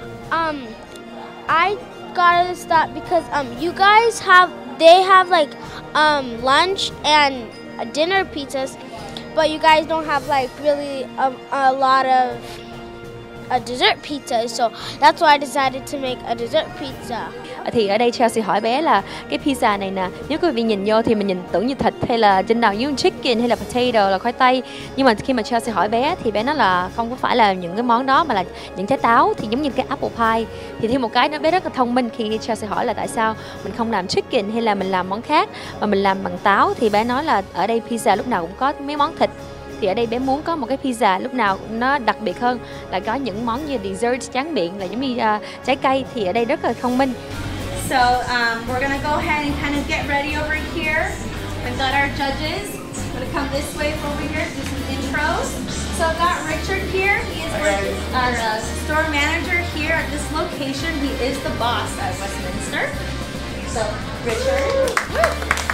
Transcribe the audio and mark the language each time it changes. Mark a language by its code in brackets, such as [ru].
[en] I got this thought because you guys have, they have like lunch and dinner pizzas. But you guys don't have like really a lot of a dessert pizza, so that's why I decided to make a dessert pizza. [vi] Thì ở đây Chelsea hỏi bé là cái pizza này nè, nếu quý vị nhìn vô thì mình nhìn tưởng như thịt hay là trên đầu như chicken hay là potato là khoai tây. Nhưng mà khi mà Chelsea hỏi bé thì bé nói là không có phải là những cái món đó mà là những trái táo thì giống như cái apple pie. Thì thêm một cái nữa, bé rất là thông minh khi Chelsea hỏi là tại sao mình không làm chicken hay là mình làm món khác mà mình làm bằng táo, thì bé nói là ở đây pizza lúc nào cũng có mấy món thịt. Thì ở đây bé muốn có một cái pizza lúc nào nó đặc biệt hơn, là có những món như dessert tráng miệng là giống như trái cây, thì ở đây rất là thông minh. [en] So we're gonna go ahead and kind of get ready over here. We've got our judges. I'm gonna come this way over here, do some intros. So I've got Richard here. He is our store manager here at this location. He is the boss at Westminster. So Richard.